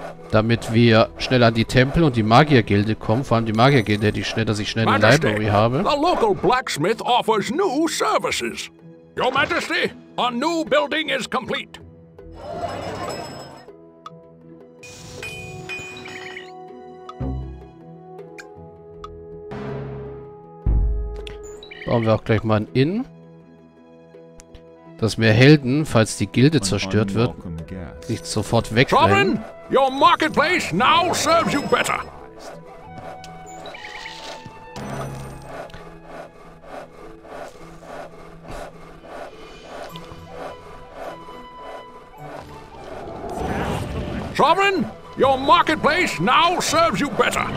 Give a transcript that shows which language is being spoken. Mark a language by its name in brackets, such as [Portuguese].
[German] Damit wir schnell an die Tempel und die Magiergilde kommen. Vor allem die Magiergilde hätte ich schnell, dass ich schnell eine Library habe. [English] The local blacksmith offers new services. Your Majesty, a new building is complete. [German] Bauen wir auch gleich mal ein Inn. Dass mehr Helden, falls die Gilde zerstört wird, nicht sofort wegrennen. [English] Your marketplace now serves you better. Sovereign, your marketplace now serves you better.